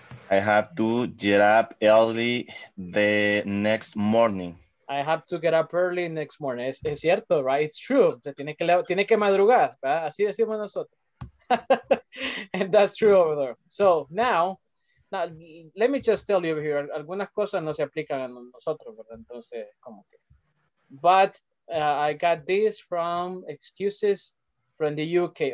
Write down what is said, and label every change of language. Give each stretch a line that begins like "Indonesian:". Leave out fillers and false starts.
English: I have to get up early the next morning. I have to get up early next morning.
Spanish: Es cierto,
English: right? It's true.
Spanish: Tiene que madrugar, ¿verdad? Así decimos nosotros.
English: And that's true over there. So, now, let me just tell you over here.
Spanish: Algunas cosas no se aplican a nosotros, ¿verdad? Entonces, como que.
English: But I got this from excuses from the UK.